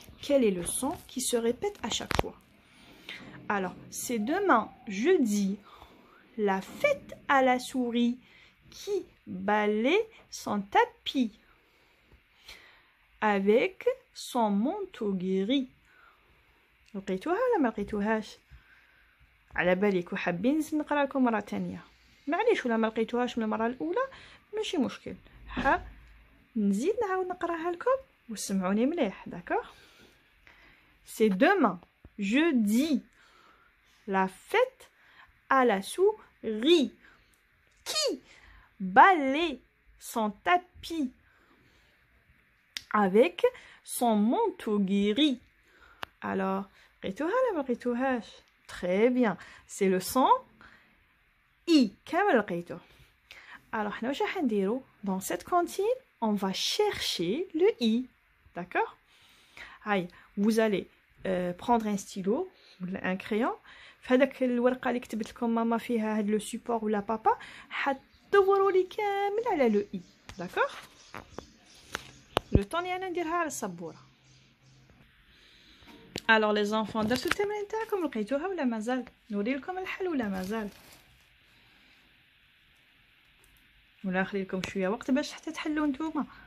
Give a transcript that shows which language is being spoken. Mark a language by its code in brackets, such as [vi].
[fr] Quel est le son qui se répète à chaque fois? Alors, c'est demain, jeudi, la fête à la souris qui balaye son tapis avec son manteau gris. [ar] لقيتوها ولا ما لقيتوهاش؟ على بالك وحابين نقرا لكم مره ثانيه. معليش ولا ما لقيتوهاش من المره الاولى، ماشي مشكل. ها نزيد نعاود نقراها لكم وسمعوني مليح. [fr] داكور؟ سي demain, jeudi, la fête à la souris qui balaye son tapis avec son manteau gris. [ar] Alors, قريتوها ولا ما لقيتوهاش؟ [fr] Très bien. C'est le son i. [ar] كامل لقيتو. [fr] Alors, [ar] حنا واش راح نديرو؟ [fr] Dans cette cantine, on va chercher le i. D'accord? Aïe, vous allez prendre un stylo ou un crayon. [ar] فهداك الورقه اللي كتبت لكم ماما فيها هاد لو سوبور ولا بابا، حتدوروا لي كامل على لو اي. داكور؟ لو طون انا نديرها على السبوره. الوغ لي زانفون، درتو التمرين تاعكم؟ لقيتوها ولا مازال؟ نوري لكم الحل ولا مازال؟ ولا نخلي لكم شويه وقت باش حتى تحلوا نتوما.